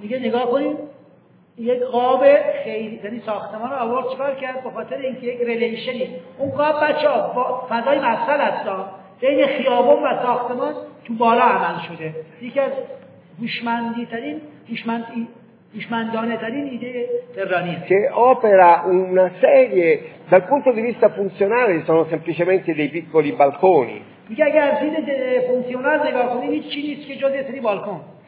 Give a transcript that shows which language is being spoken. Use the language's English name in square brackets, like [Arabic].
[Persian] میگه نگاه کنید, یک قاب خیلی, یعنی ساختمان رو آورد چکار کرد به خاطر اینکه یک ریلیشنی, اون قاب بچه ها فضای مفصل هستا بین خیابون و ساختمان تو بالا عمل شده. یکی از هوشمندانه‌ترین ایده ترانی است. [Italian] Che opera una serie dal punto di vista funzionale sono semplicemente dei piccoli balconi. [Persian] میگه اگر از دید فونکسیونال نگاه کنیم هیچی نیست که جز یه سری بالکن.